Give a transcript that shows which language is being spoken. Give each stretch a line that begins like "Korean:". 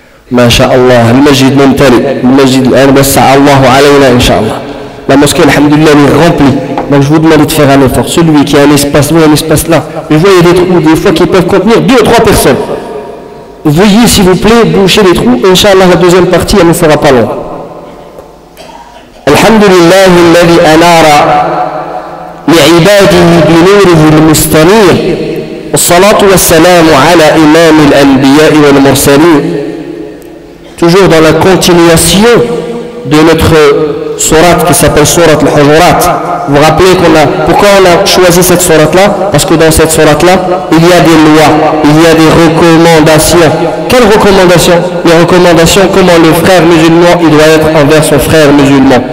Arabic: ما شاء الله المسجد ممتلئ المسجد الآن وسع الله علينا إن شاء الله لا مسكين الحمد لله من غربي موجود ما لتفغى نفر
French: celui qui a un espace là un espace là vous voyez des trous des fois qui peuvent contenir deux ou trois personnes veuillez s'il vous plaît boucher les trous إن شاء الله la deuxième partie elle ne sera pas long.
Arabic: الحمد لله الذي أنار لعباده بنوره المستنير والصلاة والسلام على إمام الأنبياء والمرسلين.
French: Toujours dans la continuation de notre sourate qui s'appelle sourate al-Hujurat. Vous vous rappelez pourquoi on a choisi cette sourate-là? Parce que dans cette sourate-là, il y a des lois, il y a des recommandations. Quelles recommandations? Les recommandations, comment le frère musulman il doit être envers son frère musulman.